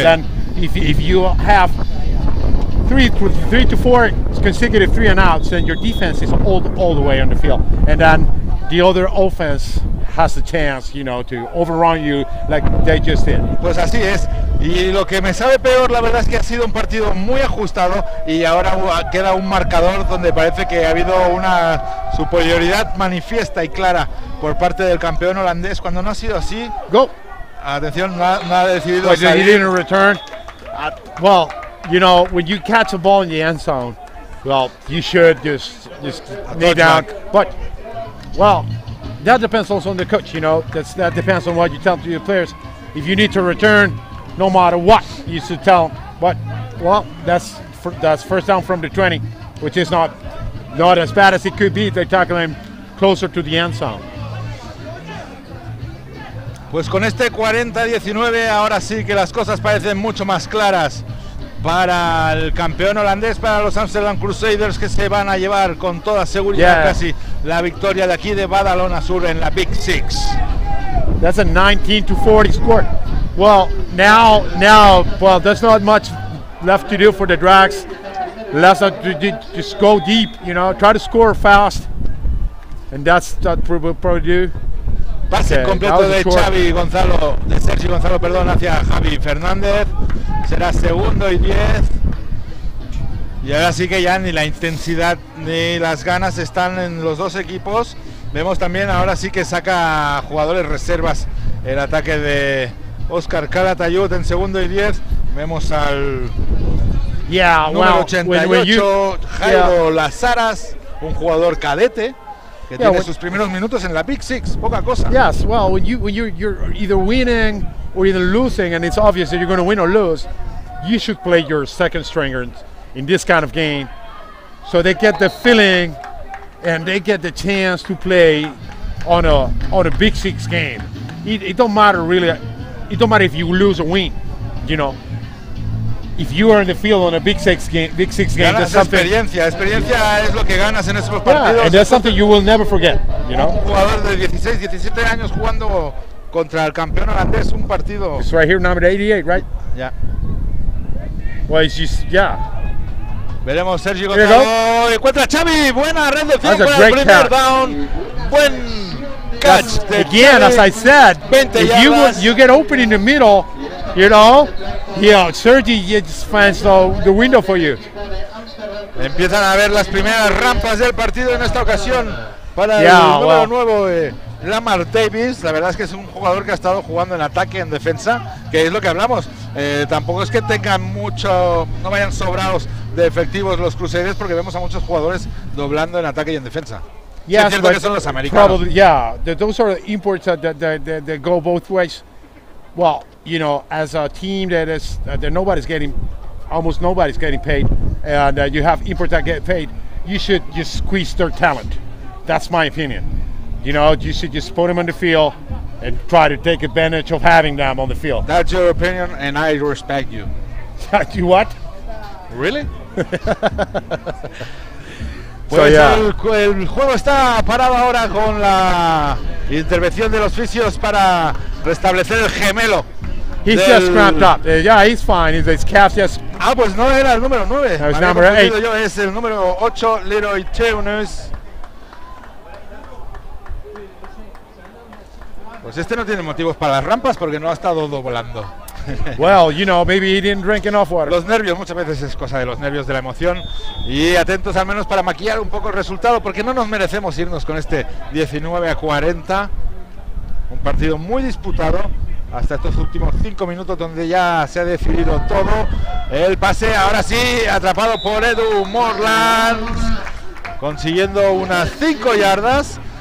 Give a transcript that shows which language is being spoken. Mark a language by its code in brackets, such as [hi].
[en] And then if you have three to four consecutive three and outs, then your defense is all the way on the field. And then the other offense has a chance, you know, to overrun you like they just did. [es] Pues así es. Y lo que me sabe peor, la verdad, es que ha sido un partido muy ajustado y ahora queda un marcador donde parece que ha habido una superioridad manifiesta y clara por parte del campeón holandés. Cuando no ha sido así, [en] go. [es] Atención, no ha decidido salir. [en] He didn't return. Well, you know, when you catch a ball in the end zone, well, you should just knee down. But, well, that depends also on the coach, you know. That depends on what you tell to your players. If you need to return, no matter what, you should tell them. But, well, that's first down from the 20, which is not as bad as it could be if they tackle him closer to the end zone. [es] Pues con este 40-19, ahora sí que las cosas parecen mucho más claras para el campeón holandés, para los Amsterdam Crusaders, que se van a llevar con toda seguridad casi la victoria de aquí de Badalona Sur en la Big Six. [en] That's a 19-40 score. Well, now, there's not much left to do for the Drax. Less to just go deep, you know, try to score fast. And that's what we'll probably do. [es] Pase completo de Sergio Gonzalo, hacia Javi Fernández. Será segundo y 10. Y ahora sí que ya ni la intensidad ni las ganas están en los dos equipos. Vemos también ahora sí que saca jugadores reservas el ataque de Oscar Calatayud en segundo y 10. Vemos al número 88, Jairo Lazaras, un jugador cadete. Que tiene sus primeros minutos en la Big Six, poca cosa. [en] Yes, well, when you're either winning or even losing, and it's obvious that you're going to win or lose, you should play your second stringers in this kind of game, so they get the feeling and they get the chance to play on a Big Six game. It don't matter really. It don't matter if you lose or win. You know, if you are in the field on a Big Six game, that's something. [es] Experiencia es lo que ganas en esos partidos. [en] Yeah, and that's something you will never forget. You know. [es] Un jugador de 16, 17 años jugando contra el campeón holandés un partido. [en] It's right here, number 88, right? Yeah. Well, it's just, yeah. [es] Veremos Sergio Gonzalo. Encuentra Xavi. Buena red de fin. Buena primer catch. Down. Buen catch. [en] Again, as I said, if you get open in the middle, you know, yeah, Sergi just finds the window for you. [es] Empiezan a ver las primeras rampas del partido en esta ocasión para yeah, el número nuevo de Lamar Davis. La verdad es que es un jugador que ha estado jugando en ataque, en defensa, que es lo que hablamos. Tampoco es que tengan mucho, no vayan sobrados de efectivos los Crusaders, porque vemos a muchos jugadores doblando en ataque y en defensa. [en] Yes, [es] es cierto que son los americanos. [en] Probably, yeah, those are imports that go both ways. Well, you know, as a team that almost nobody's getting paid, and you have imports that get paid, you should just squeeze their talent. That's my opinion. You know, you should just put them on the field and try to take advantage of having them on the field. That's your opinion, and I respect you. You what? Really? Pues so, yeah. [es] El juego está parado ahora con la intervención de los fisios para restablecer el gemelo. [en] He's just cramped up. Yeah, he's fine. His calf just... [es] Ah, pues no era el número 9. [en] It was number 8. [es] Yo, es el número 8, Leroy Teunus. Pues este no tiene motivos para las rampas porque no ha estado doblando. [en] Well, you know, maybe he didn't drink enough water. [es] Los nervios, muchas veces es cosa de los nervios, de la emoción. Y atentos al menos para maquillar un poco el resultado, porque no nos merecemos irnos con este 19-40. Un partido muy disputado hasta estos últimos 5 minutos, donde ya se ha decidido todo. El pase, ahora sí, atrapado por Edu Morland, consiguiendo unas 5 yardas.